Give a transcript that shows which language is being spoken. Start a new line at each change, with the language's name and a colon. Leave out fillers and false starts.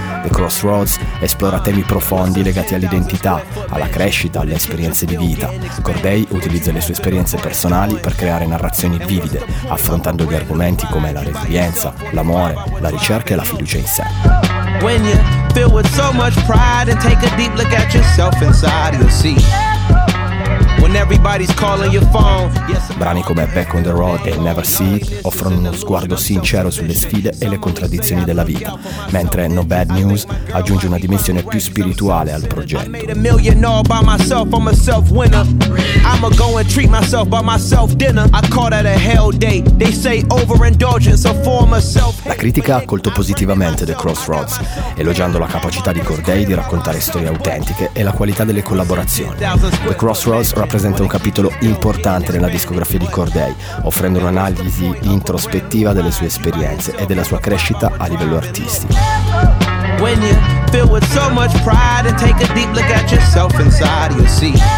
Italian: Crossroads esplora temi profondi legati all'identità, alla crescita, alle esperienze di vita. Cordae utilizza le sue esperienze personali per creare narrazioni vivide, affrontando gli argomenti come la resilienza, l'amore, la ricerca e la fiducia in sé.
English: When you feel with so much pride and take a deep look at yourself inside, you'll see.
Italian: Brani come Back on the Road e Never See It offrono uno sguardo sincero sulle sfide e le contraddizioni della vita, mentre No Bad News aggiunge una dimensione più spirituale al progetto.
English: I'ma go and treat myself by myself dinner. I caught at a hell day. They say overindulgence a form of self.
Italian: La critica ha accolto positivamente The Crossroads, elogiando la capacità di Cordae di raccontare storie autentiche e la qualità delle collaborazioni. The Crossroads rappresenta un capitolo importante nella discografia di Cordae, offrendo un'analisi introspettiva delle sue esperienze e della sua crescita a livello artistico.
English: When you feel with so much pride and take a deep look at yourself inside, you'll see.